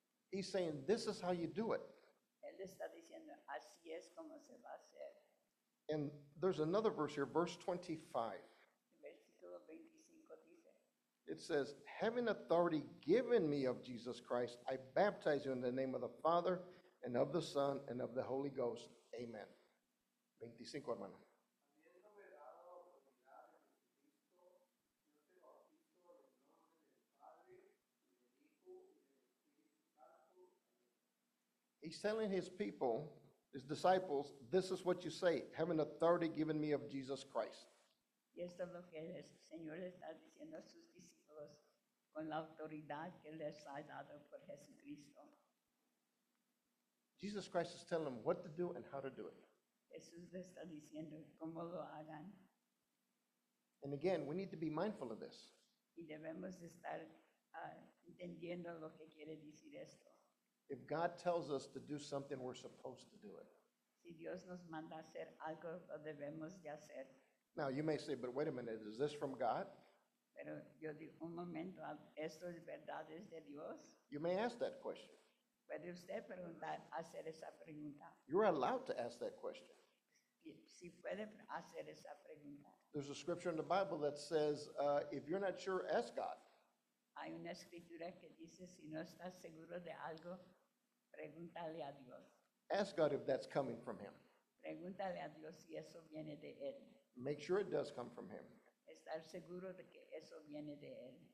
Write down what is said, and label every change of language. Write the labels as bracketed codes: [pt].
[en] He's saying, this is how you do it. [es] Él está diciendo, así es como se va a hacer. [en] And there's another verse here, verse 25. [es] Versículo 25 dice, [en] it says, having authority given me of Jesus Christ, I baptize you in the name of the Father, and of the Son, and of the Holy Ghost. Amen. 25, [es] hermano. [en] He's telling his people, his disciples, this is what you say, having authority given me of Jesus Christ. [es] Y esto es lo que el Señor está diciendo a sus discípulos con la autoridad que les ha dado por Jesucristo. [en] Jesus Christ is telling them what to do and how to do it. [es] Jesús les está diciendo cómo lo hagan. [en] And again, we need to be mindful of this. [es] Y debemos estar entendiendo lo que quiere decir esto. [en] If God tells us to do something, we're supposed to do it. [es] Si Dios nos manda hacer algo, lo debemos de hacer. [en] Now, you may say, but wait a minute, is this from God? [es] Pero yo digo, un momento, ¿esto es verdad, es de Dios? [en] You may ask that question. [es] ¿Puede usted preguntar, hacer esa pregunta? [en] You're allowed to ask that question. [es] Si puede hacer esa pregunta. [en] There's a scripture in the Bible that says, if you're not sure, ask God. [es] Hay una escritura que dice, si no estás seguro de algo, pregúntale a Dios. [en] Ask God if that's coming from him. [es] Pregúntale a Dios si eso viene de él. [en] Make sure it does come from him. [es] Estar seguro de que eso viene de él.